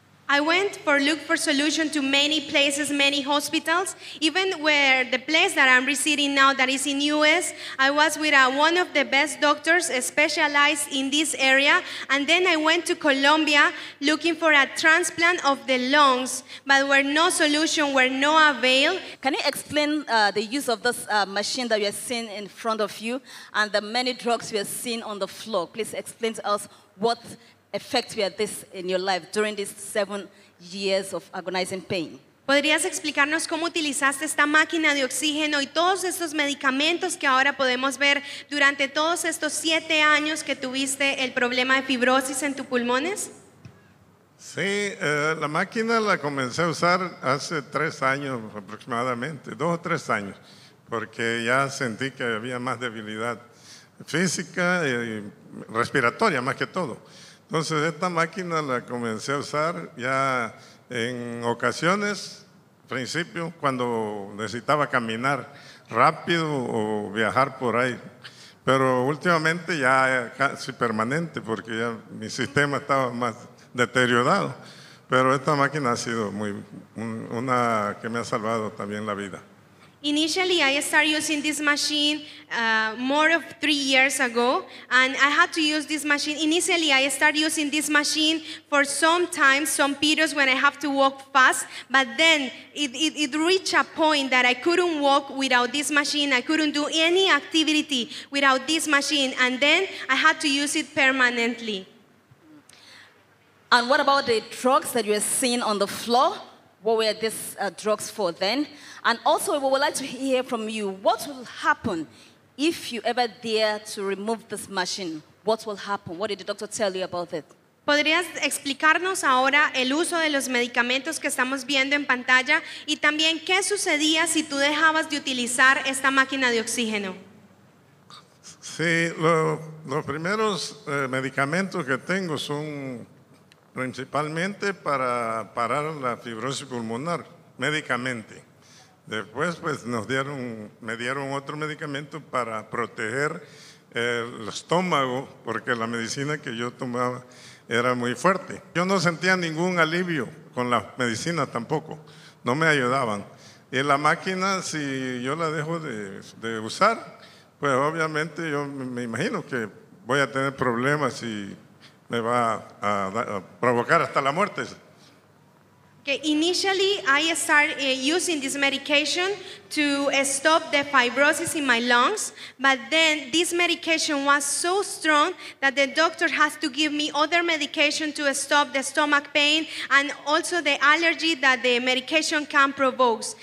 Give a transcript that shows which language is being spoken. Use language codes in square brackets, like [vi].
[en] I went for look for solution to many places, many hospitals, even where the place that I'm residing now, that is in US, I was with one of the best doctors specialized in this area, and then I went to Colombia looking for a transplant of the lungs, but where no solution, where no avail. Can you explain the use of this machine that you are seeing in front of you and the many drugs you are seeing on the floor? Please explain to us what effect we had this in your life during these 7 years of agonizing pain. [es] ¿Podrías explicarnos cómo utilizaste esta máquina de oxígeno y todos estos medicamentos que ahora podemos ver durante todos estos 7 años que tuviste el problema de fibrosis en tus pulmones? Sí, la máquina la comencé a usar hace 3 años aproximadamente, 2 o 3 años, porque ya sentí que había más debilidad física y respiratoria, más que todo. Entonces, esta máquina la comencé a usar ya en ocasiones, al principio, cuando necesitaba caminar rápido o viajar por ahí. Pero últimamente ya casi permanente, porque ya mi sistema estaba más deteriorado. Pero esta máquina ha sido una que me ha salvado también la vida. [en] Initially, I started using this machine more of 3 years ago, and I had to use this machine. Initially, I started using this machine for sometimes, some periods when I have to walk fast, but then it reached a point that I couldn't walk without this machine. I couldn't do any activity without this machine, and then I had to use it permanently. And what about the drugs that you are seeing on the floor? What were these drugs for then? And also, we would like to hear from you, what will happen if you ever dare to remove this machine? What will happen? What did the doctor tell you about it? [es] ¿Podrías explicarnos ahora el uso de los medicamentos que estamos viendo en pantalla? Y también, ¿qué sucedía si tú dejabas de utilizar esta máquina de oxígeno? Sí, los primeros medicamentos que tengo son principalmente para parar la fibrosis pulmonar, médicamente. Después, pues, me dieron otro medicamento para proteger el estómago, porque la medicina que yo tomaba era muy fuerte. Yo no sentía ningún alivio con la medicina tampoco, no me ayudaban. Y la máquina, si yo la dejo de usar, pues obviamente yo me imagino que voy a tener problemas y me va a provocar hasta la muerte. [en] Initially, I started using this medication to stop the fibrosis in my lungs, but then this medication was so strong that the doctor has to give me other medication to stop the stomach pain and also the allergy that the medication can provoke.